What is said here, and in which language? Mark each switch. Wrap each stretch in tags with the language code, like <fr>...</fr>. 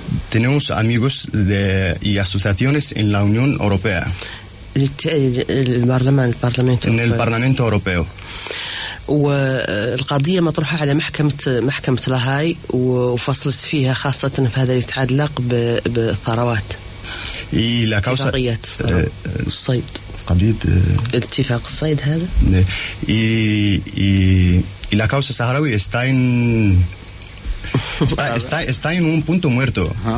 <es>Tenemos amigos y asociaciones en la Unión Europea, en el Parlamento Europeo.</es> <ar>والقضية مطروحة على محكمة لاهاي وفصلت فيها خاصة في هذا يتعلق بالثروات.</ar> <es>Y la causa y la causa saharaui está en un punto muerto.</es>